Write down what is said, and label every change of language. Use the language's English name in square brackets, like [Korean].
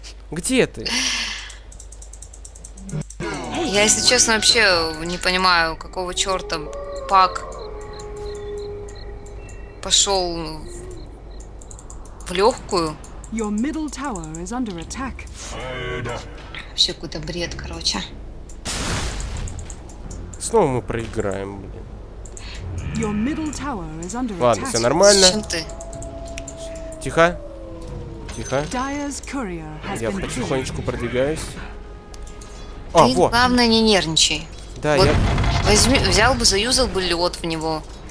[Russian] Где ты? Я, если честно, вообще не понимаю, какого черта Пак пошел в легкую. [English] Your middle tower is under attack. [Russian] Вообще какой-то бред, короче. Снова мы проиграем, блин. [English] Your middle tower is under attack. [Russian] Ладно, все нормально. С чем ты? Тихо. Тихо. [English] Dyer's courier has been killed. [Russian] Я потихонечку продвигаюсь. А, ты, вот. Главное, не нервничай. Да, вот я... Возьми, взял бы, заюзал бы лед в него.